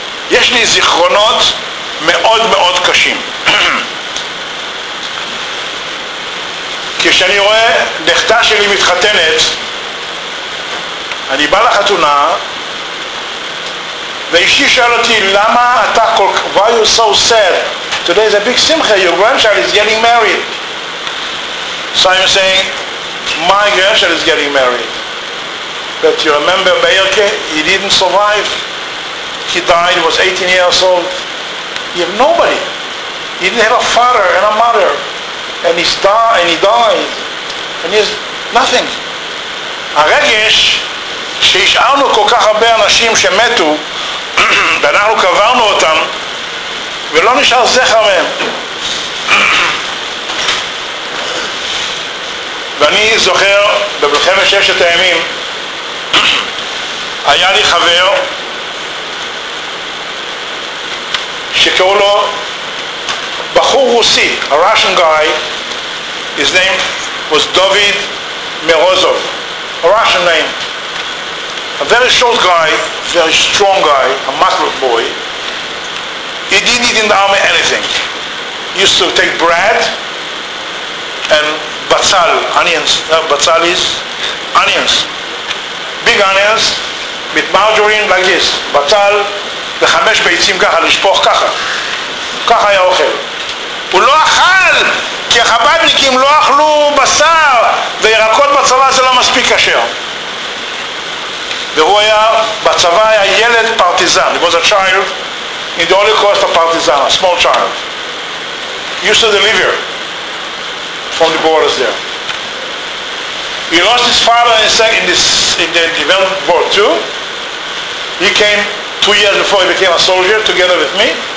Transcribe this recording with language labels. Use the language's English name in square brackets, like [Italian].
[Hebrew] יש לי זיכרונות מאוד מאוד קשים. כשאני רואה נכדה שלי מתחתנת, אני בא לחתונה, ואישי שאל אותי, למה אתה כל כך, [English] why you so sad? Today is a big simcha, your grandchild is getting married. So I'm saying, my grandchild is getting married. But you remember Beirke? He didn't survive. He died, he was 18 years old. He had nobody. He didn't have a father and a mother. And he died. And he has nothing. [Hebrew] הרגש שהשארנו כל כך הרבה אנשים שמתו, ואנחנו קברנו אותם, ולא נשאר זכר מהם. ואני זוכר, במלחמת ששת הימים, היה לי חבר שקראו לו בחור רוסי, [English] a Russian guy, his name was David Morozov, a Russian name. A very short guy, very strong guy, a muscle boy. He didn't eat in the army anything. He used to take bread and batsal, onions, batsalis, onions. Big onions with margarine like this. [Hebrew] Batsal, וחמש ביצים ככה, לשפוך ככה. ככה היה אוכל. הוא לא אכל, כי החבדניקים לא אכלו בשר, וירקות בצבא זה לא מספיק קשר. והוא היה בצבא, היה ילד פרטיזן. [English] He was a child in the Holocaust, a partisan, a small child. He used to deliver from the borders there. He lost his father in the World War II. He came 2 years before he became a soldier together with me.